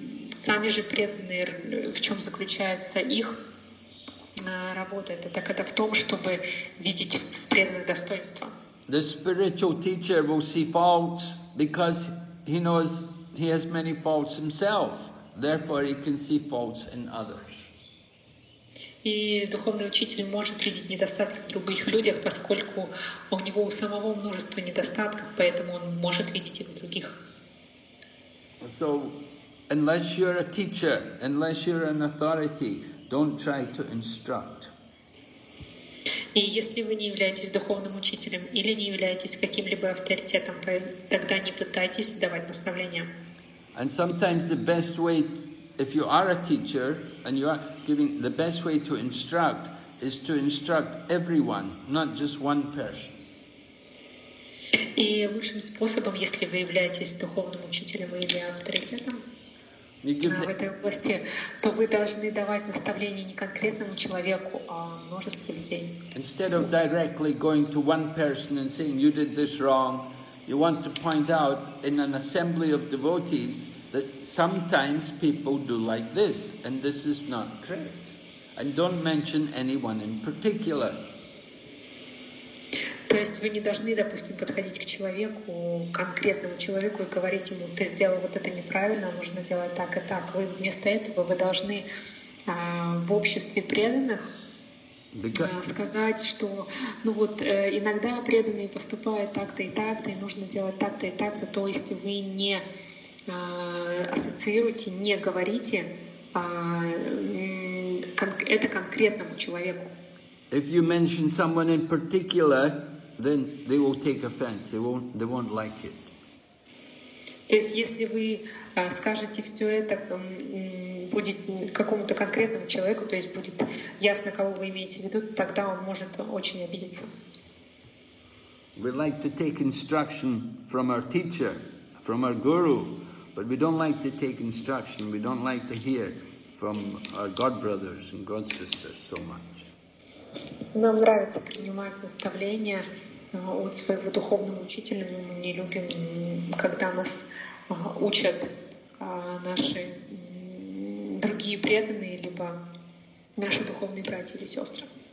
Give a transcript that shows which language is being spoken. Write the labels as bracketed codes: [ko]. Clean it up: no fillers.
[ru] Сами же преданные, в чем заключается их работа? Это в том, чтобы видеть в преданных достоинства. [en] The spiritual teacher will see faults because he knows he has many faults himself. Therefore, he can see faults in others. [ru] И духовный учитель может видеть недостатки в других людях, поскольку у него у самого множество недостатков, поэтому он может видеть их в других. [en] So, unless you're a teacher, unless you're an authority, don't try to instruct. [ru] И если вы не являетесь духовным учителем или не являетесь каким-либо авторитетом, тогда не пытайтесь давать наставления. [en] And sometimes the best way, if you are a teacher and you are giving, the best way to instruct is to instruct everyone, not just one person. [ru] И лучшим способом, если вы являетесь духовным учителем или авторитетом в этой области, то вы должны давать наставления не конкретному человеку, а множеству людей. [en] Instead of directly going to one person and saying, you did this wrong, you want to point out in an assembly of devotees that sometimes people do like this, and this is not correct. And don't mention anyone in particular. [ru] То есть вы не должны, допустим, подходить к человеку, конкретному человеку, и говорить ему, ты сделал вот это неправильно, нужно делать так и так. Вы вместо этого вы должны в обществе преданных сказать, что иногда преданные поступают так-то и так-то, и нужно делать так-то и так-то. То есть вы не ассоциируете, не говорите это конкретному человеку. [en] If you mention someone in particular, then they will take offense. They won't like it. [ru] То есть если вы скажете все это будет какому-то конкретному человеку, то есть будет ясно, кого вы имеете в виду, тогда он может очень обидеться. [en] We like to take instruction from our teacher, from our guru, but we don't like to take instruction, we don't like to hear from our God brothers and God sisters so much. [ru] Нам нравится принимать наставления от своего духовного учителя, но мы не любим, когда нас учат наши другие преданные, либо наши духовные братья или сестры.